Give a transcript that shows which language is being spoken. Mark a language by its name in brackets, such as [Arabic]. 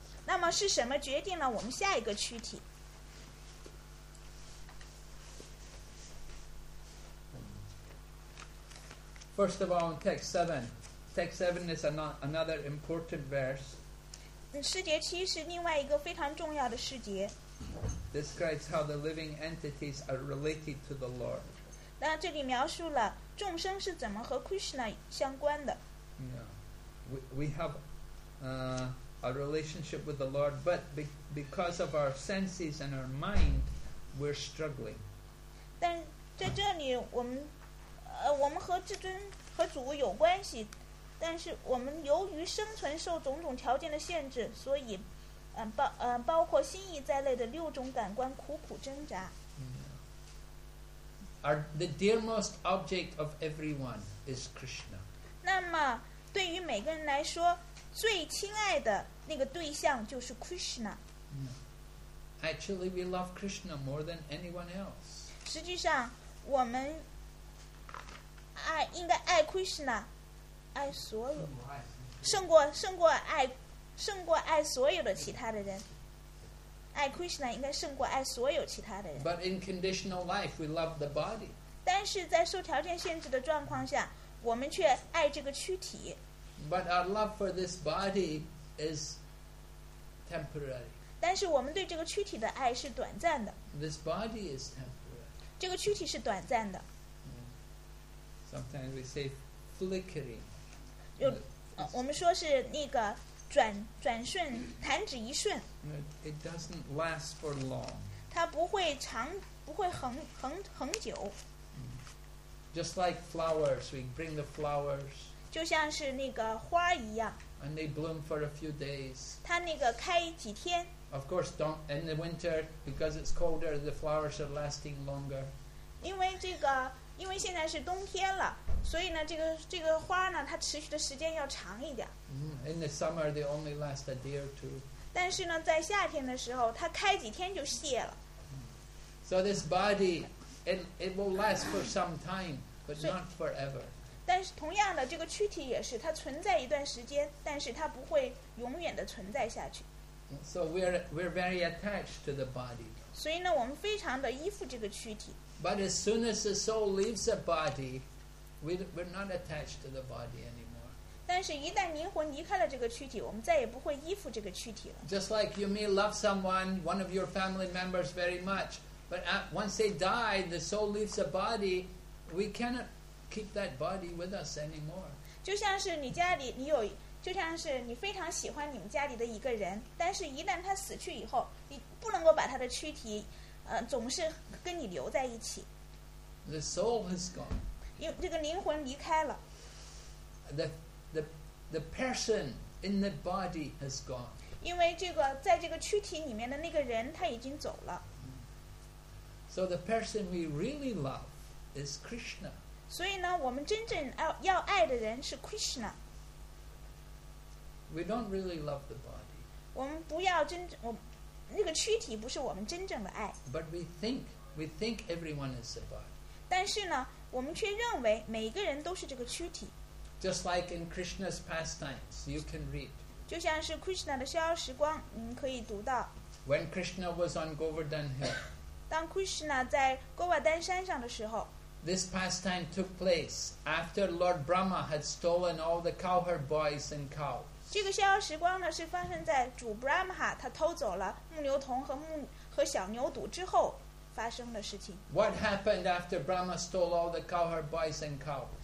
[Chinese] 那么是什么决定了我们下一个躯体? [English] First of all, in text 7. Text 7 is another important verse. [Chinese] 世节七是另外一个非常重要的世节。 [English] Describes how the living entities are related to the Lord. [Chinese] 那这里描述了众生是怎么和 Krishna 相关的。 [English] Yeah. We have a relationship with the Lord, but because of our senses and our mind, we're struggling. [Chinese] 但在这里我们和至尊 和主有关系, 但是我们由于生存受种种条件的限制, 所以, 包括心意在内的六种感官苦苦挣扎。 [English] The dearmost object of everyone is Krishna. [Chinese] 那么对于每个人来说, 最亲爱的那个对象就是 Krishna. [English] Actually, we love Krishna more than anyone else. [Chinese] 实际上, 我们 应该爱 Krishna, 爱所有, 胜过爱, 胜过爱所有的其他的人。爱 Krishna 应该胜过爱所有其他的人。 [English] But in conditional life, we love the body. [Chinese] 但是在受条件限制的状况下，我们却爱这个躯体。 [English] But our love for this body is temporary. [Chinese] 但是我们对这个躯体的爱是短暂的。 [English] This body is temporary. [Chinese] 这个躯体是短暂的。 [English] Sometimes we say flickering. [Chinese] 我们说是那个转瞬，弹指一瞬。 [English] It doesn't last for long. [Chinese] 它不会长，不会恒久。 [English] Just like flowers, we bring the flowers. [Chinese] 就像是那个花一样。 [English] And they bloom for a few days. [Chinese] 它那个开几天。 [English] Of course, don't in the winter because it's colder, the flowers are lasting longer. [Chinese] 因为这个。因为现在是冬天了，所以呢，这个花呢，它持续的时间要长一点。 [English] In the summer, they only last a day or two. [Chinese] 但是呢，在夏天的时候，它开几天就谢了。 [English] So this body, it will last for some time, but not forever. [Chinese] 但是同样的，这个躯体也是，它存在一段时间，但是它不会永远的存在下去。 [English] So we're very attached to the body. [Chinese] 所以呢，我们非常的依附这个躯体。 [English] But as soon as the soul leaves the body, we're not attached to the body anymore. [Chinese] 但是一旦灵魂离开了这个躯体，我们再也不会依附这个躯体了。 [English] Just like you may love someone, one of your family members very much, but once they die, the soul leaves the body, we cannot keep that body with us anymore. [Chinese] 就像是你家里，你有，就像是你非常喜欢你们家里的一个人，但是一旦他死去以后，你不能够把他的躯体。总是跟你留在一起。 [English] The soul has gone. [Chinese] 这个灵魂离开了。 [English] The person in the body has gone. [Chinese] 因为这个在这个躯体里面的那个人他已经走了。 [English] So the person we really love is Krishna. [Chinese] 所以呢，我们真正要爱的人是 Krishna. [English] We don't really love the body. [Chinese] 我们不要真正我。那个躯体不是我们真正的爱。 [English] But we think everyone is the body. [Chinese] 但是呢，我们却认为每一个人都是这个躯体。 [English] Just like in Krishna's pastimes, you can read. [Chinese] 就像是 Krishna 的逍遥时光，您可以读到。 [English] When Krishna was on Govardhan Hill. [Chinese] 当 Krishna 在 Govardhan 山上的时候。 [English] This pastime took place after Lord Brahma had stolen all the cowherd boys and cows. [Chinese] 这个逍遥时光呢，是发生在主 Brahma 他偷走了牧牛童和小牛犊之后发生的事情。 [English] What happened after Brahma stole all the cowherd boys and cows?